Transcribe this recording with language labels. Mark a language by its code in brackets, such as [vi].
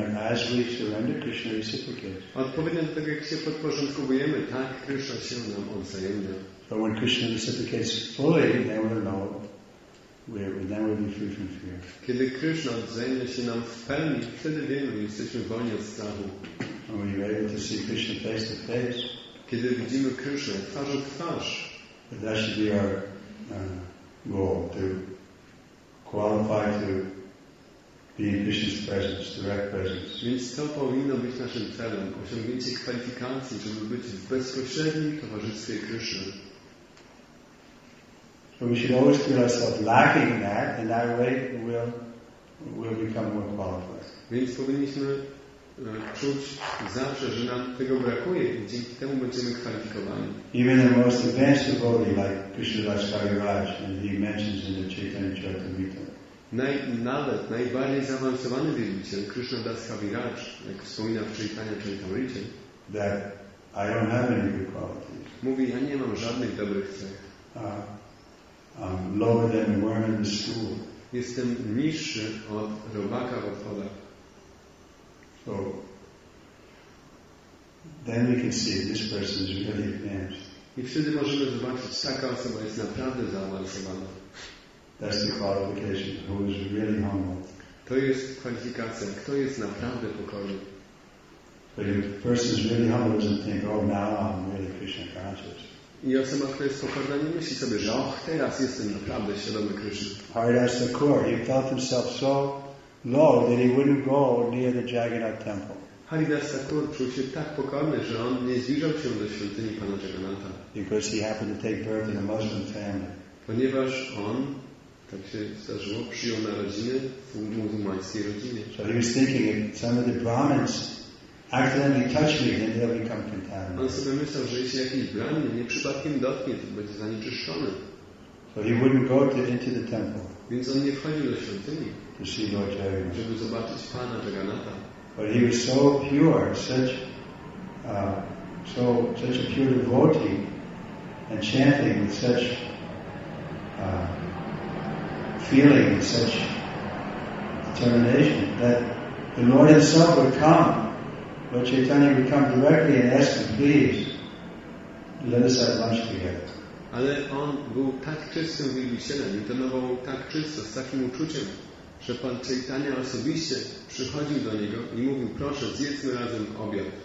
[en] As we surrender, Krishna reciprocates. [pl] Odpowiednio do tego, jak się podporządkowujemy, tak Krishna się nam odzajemnia. [en] So when Krishna reciprocates fully, then we'll know then we'll be free from fear. [pl] Kiedy Krishna odzajemnia się nam w pełni, wtedy wiemy, że jesteśmy wolni od strachu. [en] And we're able to see Krishna face to face. [pl] Kiedy widzimy Krishna twarz w twarz, [en] that should be our goal, to qualify to be in Krishna's presence, direct presence. [pl] Więc to powinno być naszym celem, osiągnięcie kwalifikacji, żeby być w bezpośrednim towarzystwie Krishna. [en] So we should always feel ourselves lacking that, and that way we'll become more qualified. [pl] Więc powinniśmy czuć zawsze, że nam tego brakuje i dzięki temu będziemy kwalifikowani. [en] Even the most advanced devotee like Krishna Das Kaviraj, and he mentions in the Chaitanya Charitamrita. [pl] Nawet najbardziej zaawansowany wierzyciel, Krishna Das Kaviraj, jak wspomina w Chaitanya Charitamrita, [en] that I don't have any good qualities. [pl] Mówi, ja nie mam żadnych dobrych cech. [en] Lower than a worm in the stool. [pl] Jestem niższy od robaka w otwodach. [en] So then we can see this person is really advanced. [pl] I wtedy możemy zobaczyć, taka osoba jest naprawdę zaawansowana. [en] That's the qualification. Who is really humble? [pl] To jest kwalifikacja. Kto jest naprawdę pokorny? [en] But if a person is really humble, doesn't think, oh, now I'm really Krishna conscious. [pl] I osoba, która jest pokorna, nie myśli sobie, że och, teraz jestem naprawdę świadomy Krishna. [en] Hard as the core, he felt himself so. No, that he wouldn't go near the Jagannath temple. [pl] Haridas Thakur czuł się tak pokorny, że on nie zbliżał się do świątyni Pana Jagannatha. [en] Because he happened to take birth in a Muslim family. [pl] Ponieważ on, tak się zdarzyło, przyjął narodziny w muzułmańskiej rodzinie. [en] So he was thinking, if some of the Brahmins accidentally touch me, then they'll become contaminated. [pl] On sobie myślał, że jeśli jakiś Brahmin nie przypadkiem dotknie, to będzie zanieczyszczony. [en] So he wouldn't go into the temple. [pl] Więc on nie wchodził do świątyni. [en] To see Lord Jagannath. [pl] Żeby zobaczyć Pana Jagannatha. [en] But he was so pure, such a pure devotee, and chanting with such feeling, with such determination, that the Lord Himself would come. Lord Chaitanya would come directly and ask him, please, let us have lunch together. [pl] Ale on był tak czystym wielbicielem, intonował tak czysto, z takim uczuciem, że Pan Chaitanya osobiście przychodził do niego i mówił, proszę, zjedzmy razem obiad.